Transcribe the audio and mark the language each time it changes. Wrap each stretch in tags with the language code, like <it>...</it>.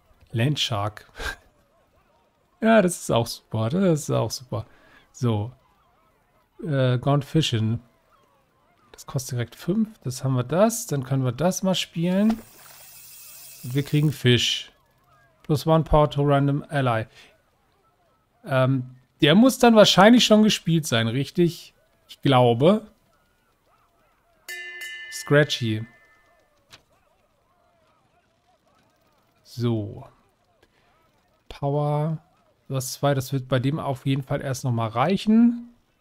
<de>Landshark. Ja, das ist auch super. Das ist auch super. So. Gone Fishing. Das kostet direkt 5. Das haben wir das. Dann können wir das mal spielen. Und wir kriegen Fisch.</de> <en>Plus 1 Power to Random Ally.</en> <de>Der muss dann wahrscheinlich schon gespielt sein, richtig? Ich glaube. Scratchy. So. Power. Das 2, das wird bei dem auf jeden Fall erst nochmal reichen.</de>